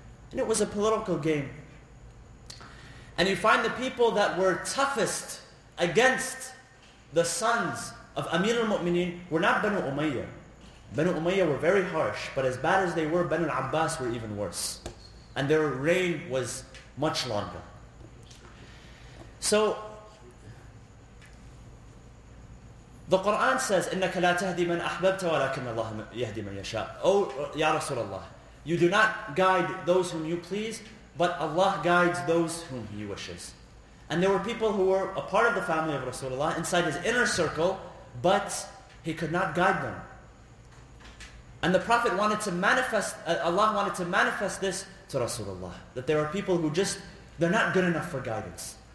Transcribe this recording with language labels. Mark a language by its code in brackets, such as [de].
[en] And it was a political game. And you find the people that were toughest against the sons of Amir al-Mu'mineen were not Banu Umayyah. Banu Umayyah were very harsh, but as bad as they were, Banu al-Abbas were even worse. And their reign was much longer. [ar] So, the Quran says, إِنَّكَ لَا تَهْدِي مَنْ أَحْبَبْتَ وَلَكِنَّ اللَّهَ يَهْدِي مَنْ يَشَاءُ. [en] Oh, Ya Rasulullah, you do not guide those whom you please, but Allah guides those whom He wishes. And there were people who were a part of the family of Rasulullah, inside His inner circle, but He could not guide them. And the Prophet wanted to manifest, Allah wanted to manifest this to Rasulullah, that there are people who just, they're not good enough for guidance.